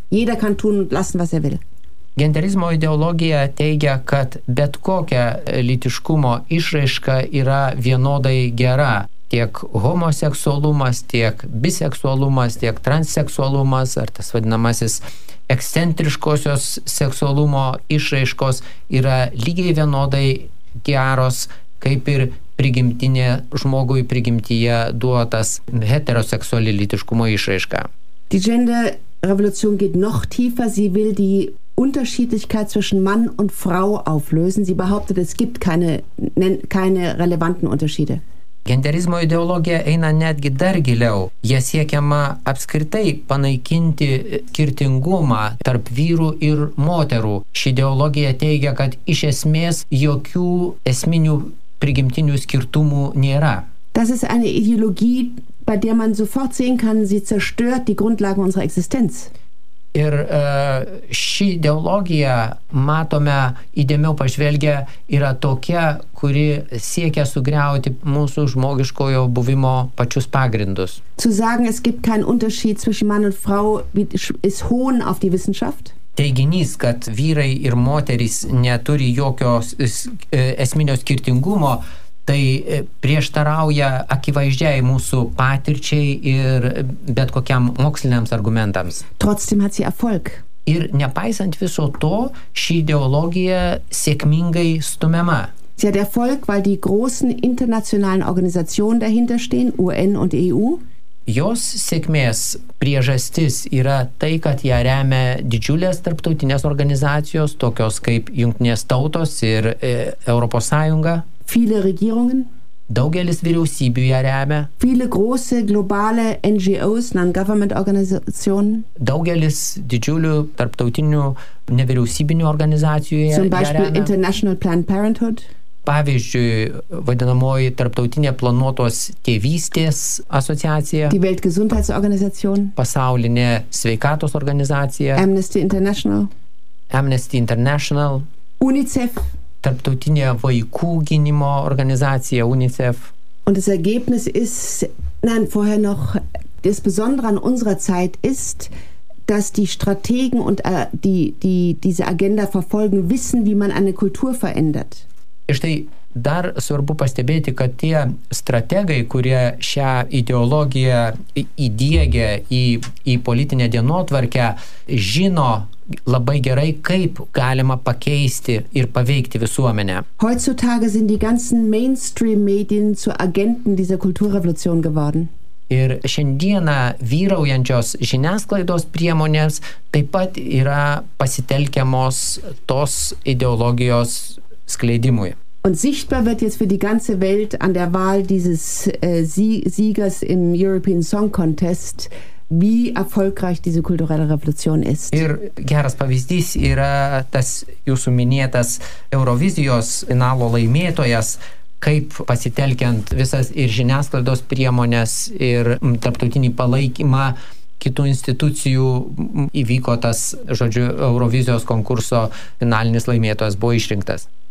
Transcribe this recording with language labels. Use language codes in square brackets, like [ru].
[de] Jeder kann tun und lassen, was will. [lt] Genderizmo ideologija teigia, kad bet kokia lytiškumo išraiška yra vienodai gera. Tiek homoseksualumas, tiek biseksualumas, tiek transseksualumas, ar tas vadinamasis ekscentriškosios seksualumo išraiškos yra lygiai vienodai geros, kaip ir prigimtinė žmogui prigimtyje duotas heteroseksuali lytiškumo išraiška. [de] Die Gender Revolution geht noch tiefer, sie will die Unterschiedlichkeit zwischen Mann und Frau auflösen. Sie behauptet, es gibt keine relevanten Unterschiede. [lt] Genderizmo ideologija eina netgi dar giliau. Jie siekiama apskritai panaikinti skirtingumą tarp vyrų ir moterų. Ši ideologija teigia, kad iš esmės jokių esminių prigimtinių skirtumų nėra. [de] Das ist eine Ideologie, bei der man sofort sehen kann, sie zerstört die Grundlagen unserer Existenz. [lt] Ir ši ideologija, matome, įdėmiau pažvelgę, yra tokia, kuri siekia sugriauti mūsų žmogiškojo buvimo pačius pagrindus. [de] Zu sagen, es gibt keinen Unterschied zwischen Mann und Frau, ist hohn auf die Wissenschaft. [lt] Teiginys, kad vyrai ir moterys neturi jokios esminio skirtingumo, tai prieštarauja akivaizdžiai mūsų patirčiai ir bet kokiam moksliniams argumentams. [de] Trotzdem hat sie Erfolg. [lt] Ir nepaisant viso to, ši ideologija sėkmingai stumiama. [de] Sie hat Erfolg, weil die großen internationalen Organisationen dahinter stehen, UN und EU. [lt] Jos sėkmės priežastis yra tai, kad ją remia didžiulės tarptautinės organizacijos, tokios kaip Jungtinės tautos ir Europos Sąjunga. [de] Viele Regierungen. [lt] Daugelis vyriausybių ją remia. [de] Viele große globale NGOs, non-government organizations. [lt] Daugelis didžiulių tarptautinių nevyriausybinių organizacijų ją remia. [de] Zum Beispiel International Planned Parenthood. [lt] Pavyzdžiui, vadinamoji tarptautinė planuotos tėvystės asociacija. [de] Die Weltgesundheitsorganisation. [lt] Pasaulinė sveikatos organizacija. [de] Amnesty International. [lt] Amnesty International. [de] UNICEF. [lt] Tarptautinė vaikų gynimo organizacija UNICEF. [de] Und das Ergebnis ist, nein, vorher noch, das Besondere an unserer Zeit ist, dass die Strategen und die diese Agenda verfolgen, wissen, wie man eine Kultur verändert. [lt] Ir štai dar svarbu pastebėti, kad tie strategai, kurie šią ideologiją įdiegia į politinę dienotvarkę, žino labai gerai, kaip galima pakeisti ir paveikti visuomenę. [de] Heutzutage sind die ganzen mainstream medien zu agenten dieser Kulturrevolution geworden. [lt] Ir šiandieną vyraujančios žiniasklaidos priemonės taip pat yra pasitelkiamos tos ideologijos skleidimui. [de] Und sichtbar wird jetzt für die ganze Welt an der Wahl dieses Siegers im European Song Contest, wie erfolgreich diese kulturelle Revolution ist. [lt] Ir geras pavyzdys yra tas jūsų minėtas Eurovizijos finalo laimėtojas, kaip pasitelkiant visas ir žiniasklaidos priemonės ir tarptautinį palaikymą kitų institucijų įvyko tas, žodžiu, Eurovizijos konkurso finalinis laimėtojas buvo išrinktas.